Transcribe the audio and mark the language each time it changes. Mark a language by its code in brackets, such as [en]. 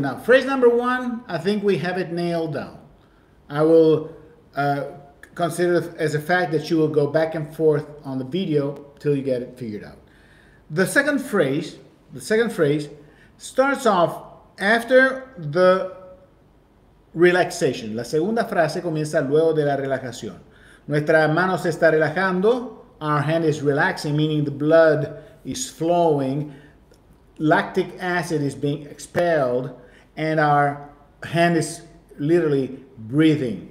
[en] Now, phrase number one, I think we have it nailed down. I will consider it as a fact that you will go back and forth on the video till you get it figured out. The second phrase starts off after the relaxation. [es] La segunda frase comienza luego de la relajación. Nuestra mano se está relajando. [en] Our hand is relaxing, meaning the blood is flowing. Lactic acid is being expelled. And our hand is literally breathing.